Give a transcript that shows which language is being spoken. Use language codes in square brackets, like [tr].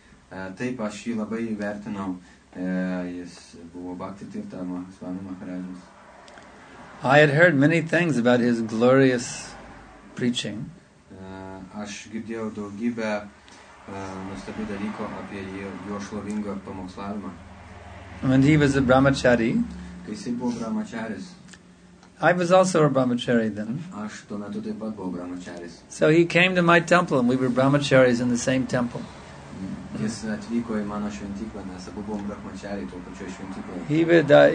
[lt] Taip, aš jį labai vertinau. Jis buvo Bhakti Tirtha Swami Maharajas. [en] I had heard many things about his glorious preaching. [lt] Aš girdėjau daugybę nuostabių dalykų apie jo šlovingą pamokslavimą. [en] When he was a brahmachari, [lt] kai jis buvo brahmacharis, [en] I was also a brahmachari then. [lt] Aš tuo metu taip pat buvau brahmacharis. [en] So he came to my temple and we were brahmacharis in the same temple. [lt] Jis atvyko į mano šventyklą, nes abu buvom brahmačiariai tuo pačiu šventyklą.